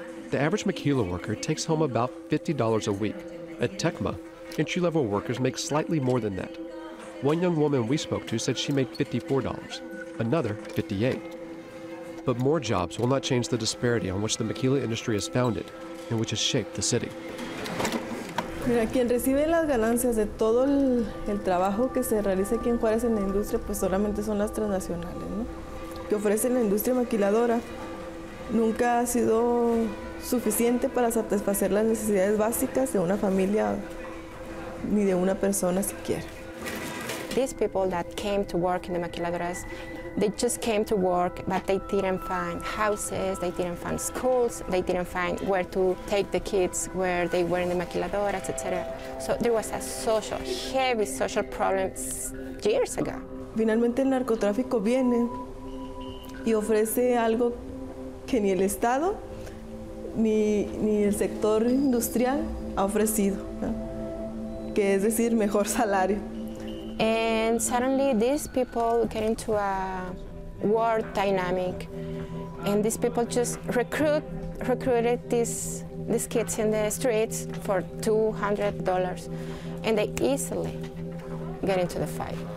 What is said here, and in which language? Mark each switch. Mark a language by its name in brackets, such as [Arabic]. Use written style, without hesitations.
[English] The average maquila worker takes home about $50 a week. At Tecma, entry-level workers make slightly more than that. One young woman we spoke to said she made $54, another $58. But more jobs will not change the disparity on which the maquila industry is founded and which has shaped the city. [Spanish] Mira, quien recibe las ganancias de todo el trabajo que se realiza aquí en Juárez en la industria, pues solamente son las transnacionales, ¿no? Que ofrece la industria maquiladora nunca ha sido suficiente para satisfacer las necesidades básicas de una familia ni de una persona siquiera. [English] These people that came to work in the maquiladoras, they just came to work, but they didn't find houses, they didn't find schools, they didn't find where to take the kids, where they were in the maquiladoras, etc. So there was a social, heavy social problem years ago. [Spanish] Finalmente el narcotráfico viene y ofrece algo que ni el Estado ni el sector industrial ha ofrecido, ¿no? Que es decir, mejor salario. [English] And suddenly these people get into a war dynamic, and these people just recruited these kids in the streets for $200, and they easily get into the fight.